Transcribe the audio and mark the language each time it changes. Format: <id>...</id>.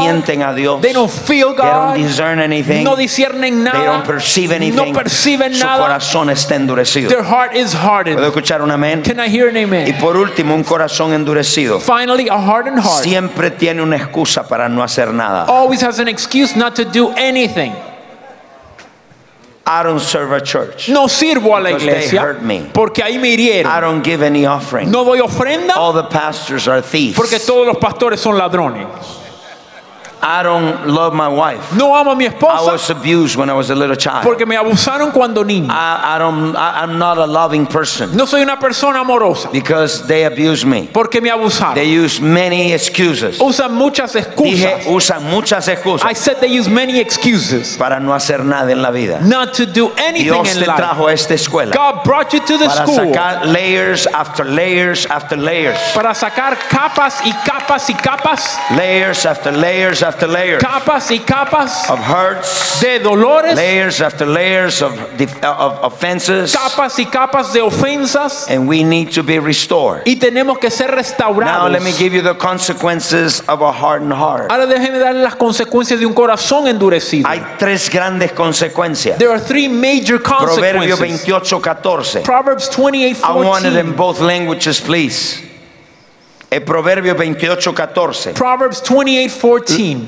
<es>No sienten a Dios.</es> <en>They don't feel God. They don't discern anything.</en> <es>No disciernen nada.</es> <en>They don't perceive anything.</en> <es>No perciben nada. Su corazón está endurecido.</es> <en>Their heart is hardened.</en> <es>¿Puedo escuchar un amén?</es> <en>Can I hear an amen?</en> <es>Y por último, un corazón endurecido.</es> <en>Finally, a hardened heart.</en> <es>Siempre tiene una excusa para no hacer nada.</es> <en>Always has an excuse not to do anything. I don't serve a church.</en> <es>No sirvo a la iglesia.</es> <en>Because they hurt me.</en> <es>Porque ahí me hirieron.</es> <en>I don't give any offering.</en> <es>No doy ofrenda.</es> <en>All the pastors are thieves.</en> <es>Porque todos los pastores son ladrones.</es> <en>I don't love my wife.</en> <es>No amo a mi esposa.</es> <en>I was abused when I was a little child.</en> <es>Porque me abusaron cuando niño.</es> <en>I'm not a loving person.</en> <es>No soy una persona amorosa.</es> <en>Because they abuse me.</en> <es>Porque me abusaron.</es> <en>They use many excuses.</en> <es>Usan muchas excusas. Dije, usan muchas excusas.</es> <en>I said they use many excuses.</en> <es>Para no hacer nada en la vida.</es> <en>Not to do anything</en> <es>Dios</es> <en>in life.</en> <es>Dios te trajo a esta escuela.</es> <en>God brought you to the</en> <es>para</es> <en>school.</en> <es>Para sacar</es> <en>layers after layers after layers.</en> <es>Para sacar capas y capas y capas.</es> <en>Layers after layers after after layers</en> <es>capas y capas</es> <en>of hurts</en> <es>de dolores</es> <en>layers after layers of offenses</en> <es>capas y capas de ofensas</es> <en>and we need to be restored</en> <es>y tenemos que ser restaurados.</es> <en>Now let me give you the consequences of a hardened heart.</en> <es>Ahora déjeme darle las consecuencias de un corazón endurecido. Hay tres grandes consecuencias.</es> <en>There are three major consequences.</en> <es>Proverbios 28:14.</es> <en>Proverbs 28:14. I want it in both languages, please.</en> <es>Proverbios 28:14.</es> <en>Proverbs 28:14.</en>